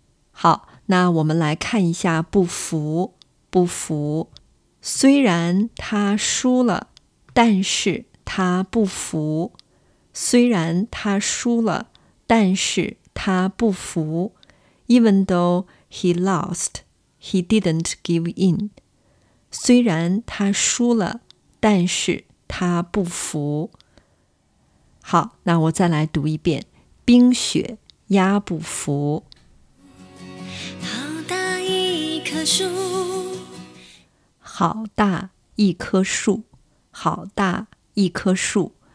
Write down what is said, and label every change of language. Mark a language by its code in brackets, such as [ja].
[zh] 好，那我们来看一下不服，不服。虽然他输了，但是他不服。虽然他输了，但是他不服。 [en] Even though he lost, he didn't give in. [zh] 虽然他输了，但是他不服。好，那我再来读一遍。冰雪压不服。好大一棵树。好大一棵树。好大一棵树。